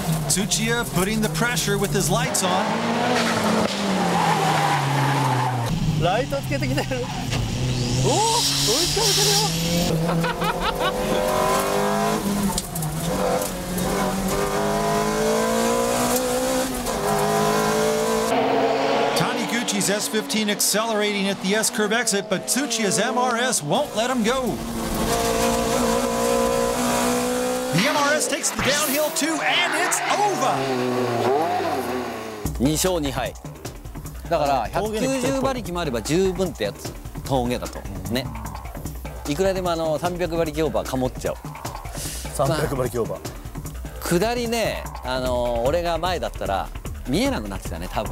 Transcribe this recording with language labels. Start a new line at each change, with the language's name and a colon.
English: Tsuchiya putting the pressure with his lights on.
Japanese: ライトつけてきてる。おー追いつかれてるよ。
English: Taniguchi's S15 accelerating at the S-curve exit, but Tsuchiya's MRS won't let him go. The MRS takes the downhill too, and it's over!
Japanese: 2勝2敗。だから190馬力もあれば十分ってやつ。峠だとね、いくらでもあの300馬力オーバーかもっちゃう。 300馬力オーバー、まあ、下りね、俺が前だったら見えなくなってたね、多分。